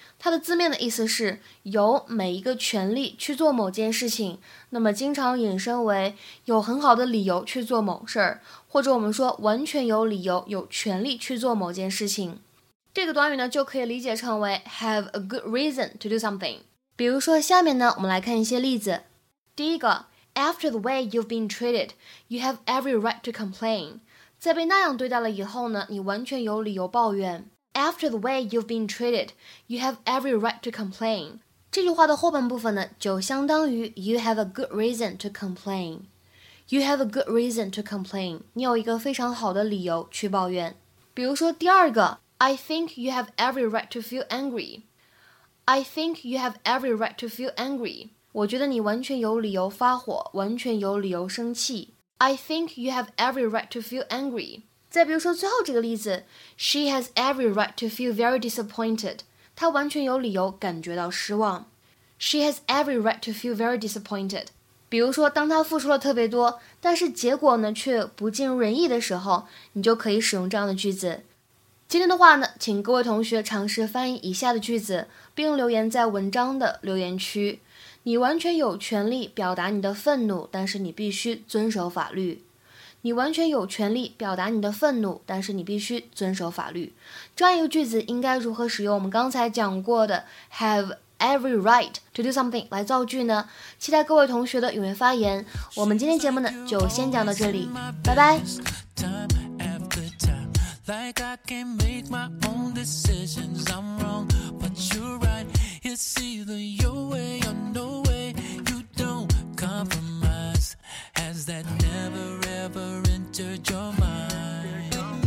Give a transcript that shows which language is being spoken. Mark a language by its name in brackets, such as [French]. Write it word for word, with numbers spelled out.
[Chinese] 它的字面的意思是有每一个权利去做某件事情，那么经常引申为有很好的理由去做某事儿，或者我们说完全有理由、有权利去做某件事情。这个短语呢，就可以理解成为 [English] have a good reason to do something。 [Chinese] 比如说，下面呢，我们来看一些例子。第一个 [English] ，After the way you've been treated, you have every right to complain。 [Chinese] 在被那样对待了以后呢，你完全有理由抱怨。 [English] After the way you've been treated, you have every right to complain。 [Chinese] 这句话的后半部分呢，就相当于 [English] you have a good reason to complain。 You have a good reason to complain。 [Chinese] 你有一个非常好的理由去抱怨。比如说，第二个。 [English] I think you have every right to feel angry. I think you have every right to feel angry. [Chinese] 我觉得你完全有理由发火，完全有理由生气。 [English] I think you have every right to feel angry. [Chinese] 再比如说最后这个例子 [English] ，She has every right to feel very disappointed. [Chinese] 她完全有理由感觉到失望。 [English] She has every right to feel very disappointed. [Chinese] 比如说，当她付出了特别多，但是结果呢却不尽如人意的时候，你就可以使用这样的句子。今天的话呢，请各位同学尝试翻译以下的句子，并留言在文章的留言区。你完全有权利表达你的愤怒，但是你必须遵守法律。你完全有权利表达你的愤怒，但是你必须遵守法律。这样一个句子应该如何使用我们刚才讲过的 [English] have every right to do something [Chinese] 来造句呢？期待各位同学的踊跃发言。我们今天节目呢，就先讲到这里，拜拜。 [English] Like I can make my own decisions, I'm wrong, but you're right. It's either your way or no way. You don't compromise. Has that never ever entered your mind?